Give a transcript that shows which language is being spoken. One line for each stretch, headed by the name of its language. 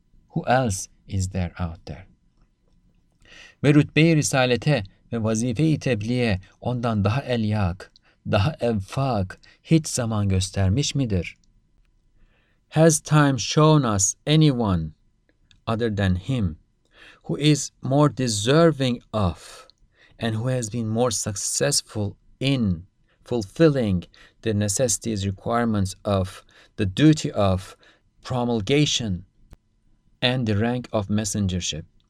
English: Who else is there out there?
Turkish: Ve rütbe-i risalete ve vazife-i tebliğe ondan daha elyak, daha evfak hiç zaman göstermiş midir?
English: Has time shown us anyone other than him who is more deserving of and who has been more successful in fulfilling the necessities, requirements of, the duty of promulgation and the rank of messengership?